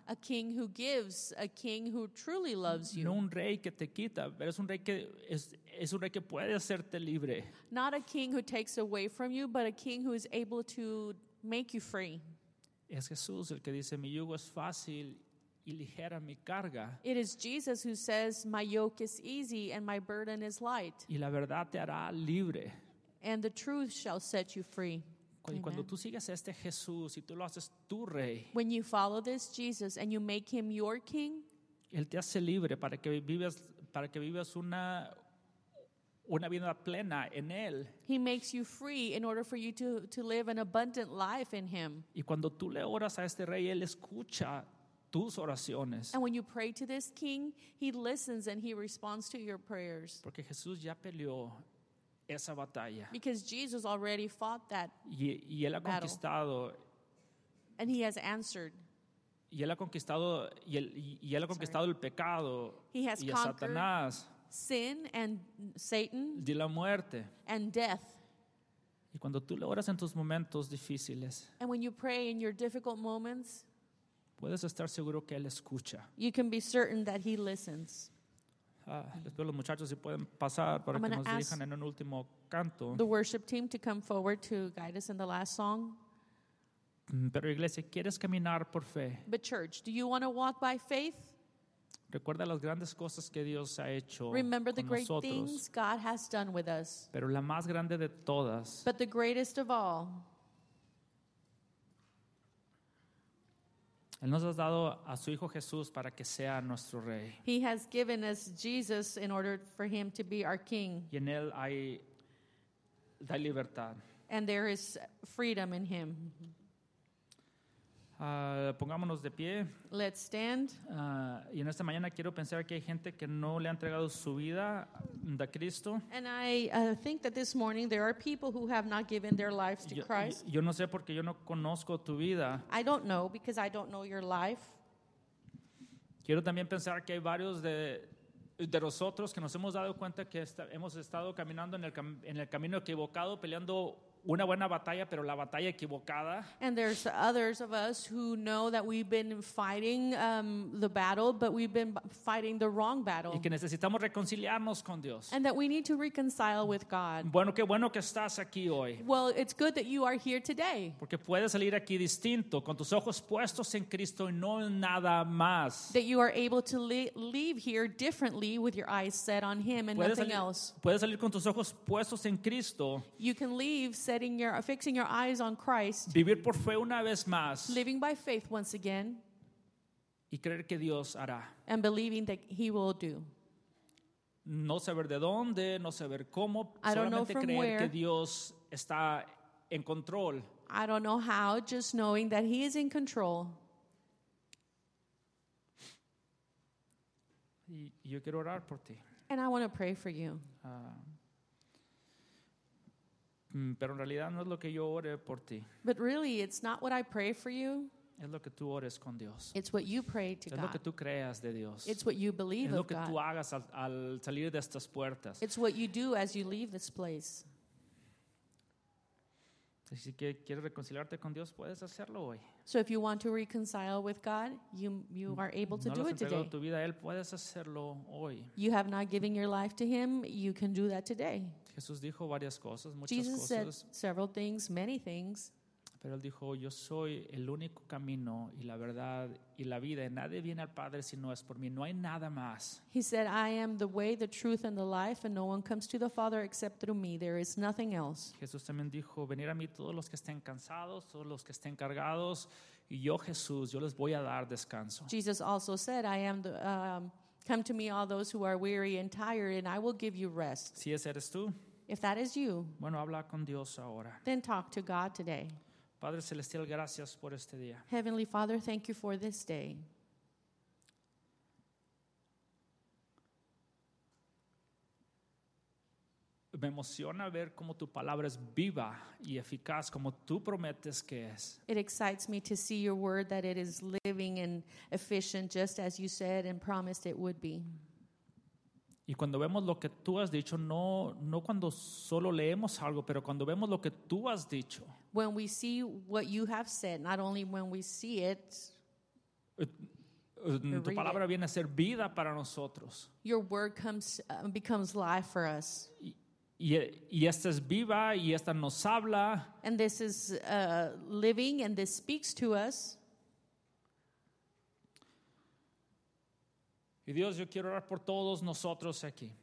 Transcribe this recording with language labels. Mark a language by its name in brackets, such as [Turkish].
[English] A king who gives, a king who truly loves you. [Spanish] No un rey que te quita, pero es un rey que es un rey que puede hacerte libre. [English] Not a king who takes away from you, but a king who is able to make you free. [Spanish] Es Jesús el que dice, mi yugo es fácil y ligera mi carga. [English] It is Jesus who says, my yoke is easy and my burden is light. [Spanish] Y la verdad te hará libre. [English] And the truth shall set you free. [Spanish] Cuando tú sigues a este Jesús y tú lo haces tu rey, [English] when you follow this Jesus and you make him your king, [Spanish] Él te hace libre para que vives una vida plena en Él. [English] He makes you free in order for you to live an abundant life in him. [Spanish] Y cuando tú le oras a este rey, Él escucha tus oraciones. [English] And when you pray to this king, he listens and he responds to your prayers. [Spanish] Porque Jesús ya peleó esa batalla. [English] Because Jesus already fought that [Spanish] y Él ha conquistado, [English] battle. And he has answered. [Spanish] Y Él ha conquistado, y él ha conquistado el pecado. [English] He has [Spanish] y a Satanás. [English] Sin and Satan. [Spanish] De la muerte. [English] And death. [Spanish] Y cuando tú le oras en tus momentos difíciles. [English] And when you pray in your difficult moments. [Spanish] Puedes estar seguro que Él escucha. [English] You can be certain that he listens. [Spanish] Les pido a los muchachos si pueden pasar para que nos dirijan en un último canto. [English] The worship team to come forward to guide us in the last song. [Spanish] Pero iglesia, ¿quieres caminar por fe? [English] But church, do you want to walk by faith? [Spanish] Recuerda las grandes cosas que Dios ha hecho. [English] Remember [Spanish] con [English] the great [Spanish] nosotros. [English] Things God has done with us. [Spanish] Pero la más grande de todas. [English] But the greatest of all. [Spanish] Él nos ha dado a su Hijo Jesús para que sea nuestro Rey. [English] He has given us Jesus in order for him to be our King. [Spanish] Y en Él hay libertad. [English] And there is freedom in him. [Spanish] Pongámonos de pie. [English] Let's stand. [Spanish] Y en esta mañana quiero pensar que hay gente que no le ha entregado su vida a Cristo. [English] And I think that this morning there are people who have not given their lives to Christ. [Spanish] Yo no sé porque yo no conozco tu vida. [English] I don't know because I don't know your life. [Spanish] Quiero también pensar que hay varios de nosotros que nos hemos dado cuenta que hemos estado caminando en el camino equivocado, peleando una buena batalla, pero la batalla equivocada. [English] And there's others of us who know that we've been fighting the battle, but we've been fighting the wrong battle. [Spanish] Y que necesitamos reconciliarnos con Dios. [English] And that we need to reconcile with God. [Spanish] Bueno, qué bueno que estás aquí hoy. [English] Well, it's good that you are here today. [Spanish] Porque puedes salir aquí distinto, con tus ojos puestos en Cristo y no en nada más. [English] That you are able to leave here differently with your eyes set on Him and nothing else. [Spanish] Puedes salir con tus ojos puestos en Cristo. [English] You can leave fixing your eyes on Christ. [Spanish] Vivir por fe una vez más. [English] Living by faith once again. [Spanish] Y creer que Dios hará. [English] And believing that He will do. [Spanish] No saber de dónde, no saber cómo, [English] I don't know from [Spanish] creer [English] where. [Spanish] Que Dios está en control. [English] I don't know how, just knowing that He is in control. [Spanish] Y yo quiero orar por ti. [English] And I want to pray for you. [Spanish] Pero en realidad no es lo que yo ore por ti. [English] But really, it's not what I pray for you. [Spanish] Es lo que tú ores con Dios. [English] It's what you pray to [Spanish] es [English] God. [Spanish] Es lo que tú creas de Dios. [English] It's what you believe of God. [Spanish] Es lo que tú hagas al salir de estas puertas. [English] It's what you do as you leave this place. [Spanish] Si quieres reconciliarte con Dios, puedes hacerlo hoy. [English] So if you want to reconcile with God, you are able to [Spanish] no [English] do it today. [Spanish] Tu vida a Él, puedes hacerlo hoy. [English] You have not given your life to Him, you can do that today. [Spanish] Jesús dijo varias cosas, muchas [English] Jesus [Spanish] cosas. [English] Said several things, many things. [Spanish] Pero Él dijo, yo soy el único camino y la verdad y la vida. Y nadie viene al Padre si no es por mí. No hay nada más. [English] He said, I am the way, the truth, and the life, and no one comes to the Father except through me. There is nothing else. [Spanish] Jesús también dijo, venir a mí todos los que estén cansados, todos los que estén cargados, y yo, Jesús, yo les voy a dar descanso. [English] Jesus also said, I am the... Come to me, all those who are weary and tired, and I will give you rest. [Spanish] Si ese eres tú, [English] if that is you, [Spanish] bueno, habla con Dios ahora. [English] Then talk to God today. [Spanish] Padre Celestial, gracias por este día. [English] Heavenly Father, thank you for this day. [Spanish] Me emociona ver cómo tu palabra es viva y eficaz, como tú prometes que es. [English] It excites me to see your word that it is living and efficient, just as you said and promised it would be. [Spanish] Y cuando vemos lo que tú has dicho, no cuando solo leemos algo, pero cuando vemos lo que tú has dicho. [English] When we see what you have said, not only when we see it. [Spanish] Tu palabra viene a ser vida para nosotros. [English] Your word becomes life for us. [Spanish] Y esta es viva y esta nos habla. [English] And this is living and this speaks to us. [Spanish] Y Dios, yo quiero orar por todos nosotros aquí.